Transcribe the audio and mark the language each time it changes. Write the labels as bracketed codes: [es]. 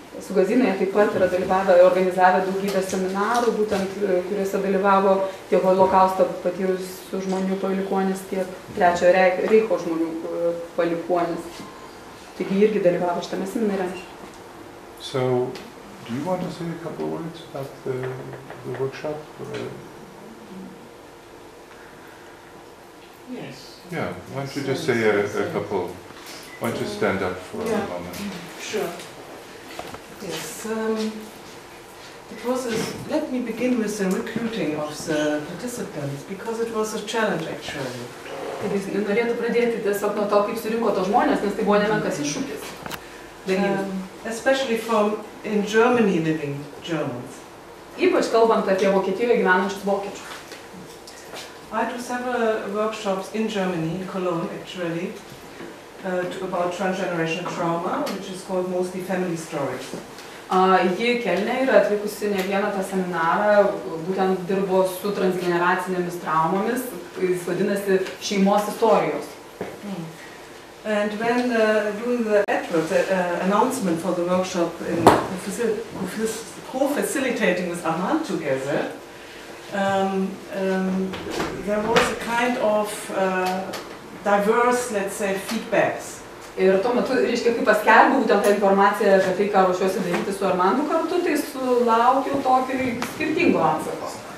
[lt] Su Gazinoje taip pat yra dalyvavę, organizavę daugybę seminarų, būtent kuriuose dalyvavo tiek holokausto patyrusių žmonių palikuonis, tiek Trečiojo Reicho žmonių palikuonis. Taigi irgi dalyvavo šitame seminare. [en] So, do you want to say a couple of words about the workshop? Or... Yes. Yeah, why don't you just say a couple, why don't you stand up for a moment? Sure. Yes, the process, let me begin with the recruiting of the participants, because it was a challenge actually. [lt] Taigi jis norėtų pradėti tiesiog nuo to, kaip surinko tos žmonės, nes tai buvo nemenkas iššūkis. [en] Especially from in Germany living Germans. [lt] Ypač kalbant apie Vokietijoje gyvenančius vokiečius. [en] I do several workshops in Germany, in Cologne actually, about transgenerational trauma, which is called mostly family stories. [lt] Ji Kelne yra atvykusi ne vieną tą seminarą, būtent dirbo su transgeneracinėmis traumomis, jis vadinasi šeimos istorijos. [en] And when doing the advert, the announcement for the workshop in co-facilitating with Aman together, there was a kind of diverse, let's say, feedbacks. [lt] Ir tuo metu, reiškia, kaip paskelbiu būtent tą informaciją apie tai, ką ruošiuosi daryti su Armandu kartu, tai sulaukiu tokio skirtingo atsako.